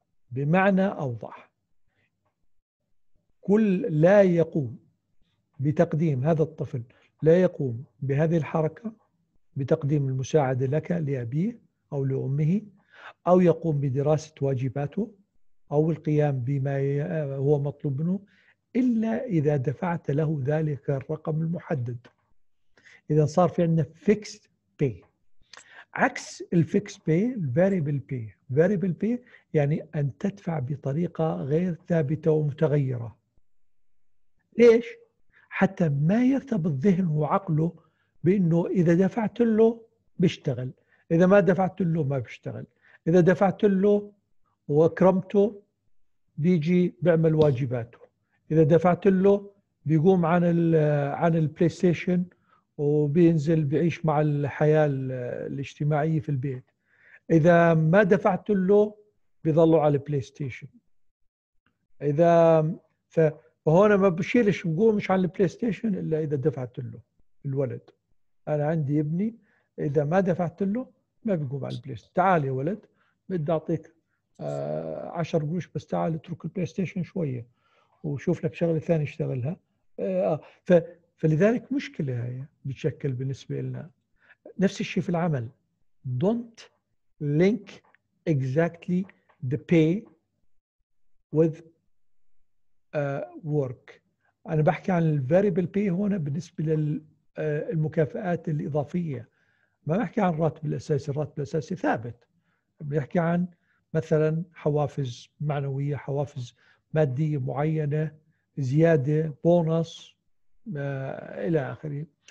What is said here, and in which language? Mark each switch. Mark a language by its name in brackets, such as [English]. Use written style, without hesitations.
[Arabic] بمعنى أوضح، كل لا يقوم بتقديم هذا الطفل، لا يقوم بهذه الحركة بتقديم المساعدة لك لأبيه أو لأمه، أو يقوم بدراسة واجباته أو القيام بما هو مطلوب منه، إلا إذا دفعت له ذلك الرقم المحدد. إذا صار في عندنا fixed pay. عكس fixed pay variable pay. Variable pay يعني أن تدفع بطريقة غير ثابتة ومتغيرة. ليش؟ حتى ما يرتبط ذهنه وعقله بأنه إذا دفعت له بيشتغل، إذا ما دفعت له ما بيشتغل، إذا دفعت له وأكرمته بيجي بعمل واجباته، إذا دفعت له بيقوم عن البلاي ستيشن وبينزل بيعيش مع الحياة الاجتماعية في البيت، إذا ما دفعت له بيظلوا على البلاي ستيشن. إذا فهنا ما بشيلش بقومش على البلاي ستيشن إلا إذا دفعت له الولد. أنا عندي ابني إذا ما دفعت له ما بيقوم على البلاي ستيشن. تعال يا ولد بدي أعطيك 10 قروش بس تعال اترك البلاي ستيشن شوية وشوف لك شغلة ثانية اشتغلها. فلذلك مشكلة هاي بتشكل بالنسبة لنا. نفس الشيء في العمل، [English] don't link exactly the pay with work. [Arabic] أنا بحكي عن الفاريبل pay هنا بالنسبة للمكافآت الإضافية، ما بحكي عن الراتب الأساسي. الراتب الأساسي ثابت، بحكي عن مثلا حوافز معنوية، حوافز مادية معينة، زيادة، بونص، إلى آخره.